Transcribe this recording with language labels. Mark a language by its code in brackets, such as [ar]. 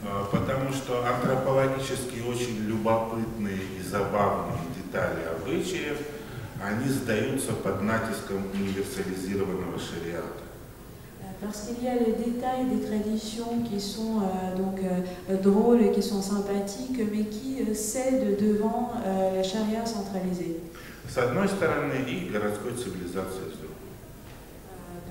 [ru] Потому что антропологически очень любопытные и забавные детали обычаев, они сдаются под натиском универсализированного шариата. [fr] Parce qu'il y a les détails des traditions qui sont donc drôles, qui sont sympathiques, mais qui cèdent devant la charia centralisée. [ru] С одной стороны, и городской цивилизации, с другой.